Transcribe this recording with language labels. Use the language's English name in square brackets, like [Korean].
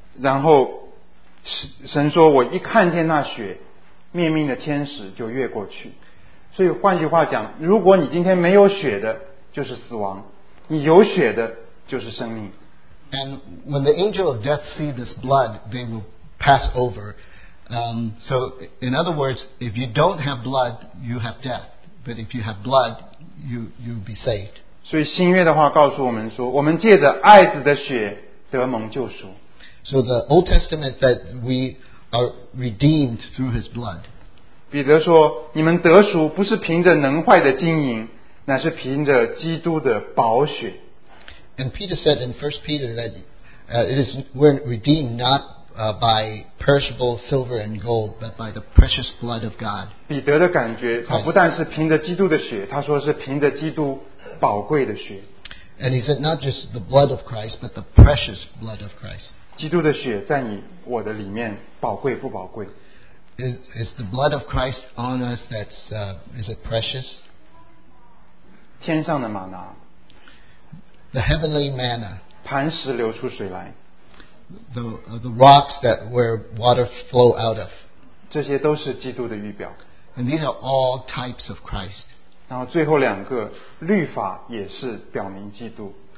[Chinese] 然后神说我一看见那血灭命的天使就越过去。所以换句话讲，如果你今天没有血的就是死亡，你有血的就是生命。 [English] And when the angel of death see this blood, they will pass over. So, in other words, if you don't have blood, you have death. But if you have blood, you'll be saved. [Chinese] 所以新约的话告诉我们说，我们借着爱子的血得蒙救赎。 [English] So the Old Testament that we are redeemed through His blood. [Chinese] 彼得说，你们得赎不是凭着能坏的金银，乃是凭着基督的宝血。 [English] And Peter said in 1 Peter that we're redeemed not. By perishable silver and gold, but by the precious blood of God. [Chinese] 彼得的感觉，他不但是凭着基督的血，他说是凭着基督宝贵的血。 [English] And he said not just the blood of Christ, but the precious blood of Christ. [Chinese] 基督的血在你我的里面宝贵不宝贵？ [English] Is the blood of Christ on us? That's is it precious? [Chinese] 天上的玛拿。 [English] The heavenly manna. [Chinese] 磐石流出水来。 [English] The rocks that where water flow out of. [Chinese] 这些都是基督的预表。 [English] And these are all types of Christ. [Chinese] 然后最后两个，律法也是表明基督。